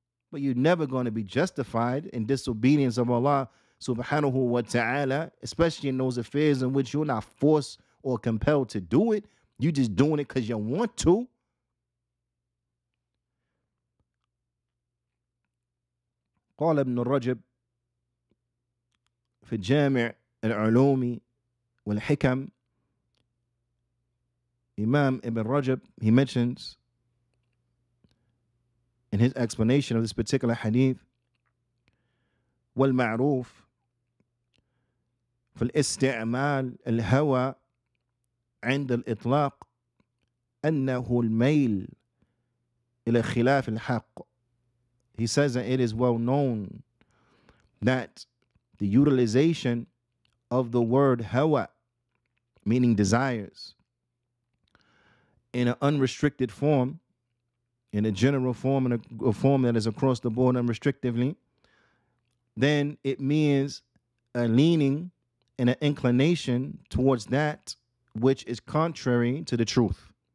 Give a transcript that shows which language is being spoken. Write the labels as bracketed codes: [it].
[en] But you're never going to be justified in disobedience of Allah Subhanahu wa Ta'ala, especially in those affairs in which you're not forced or compelled to do it. You're just doing it because you want to. [ar] قال ابن رجب في الجامع العلومي والحكم إمام ابن رجب, [en] he mentions in his explanation of this particular hadith, [ar] والمعروف في الاستعمال الهوى عند الإطلاق أنه الميل إلى خلاف الحق. [en] He says that it is well known that the utilization of the word hawa, meaning desires, in an unrestricted form, in a general form, in a form that is across the board unrestrictively, then it means a leaning and an inclination towards that which is contrary to the truth.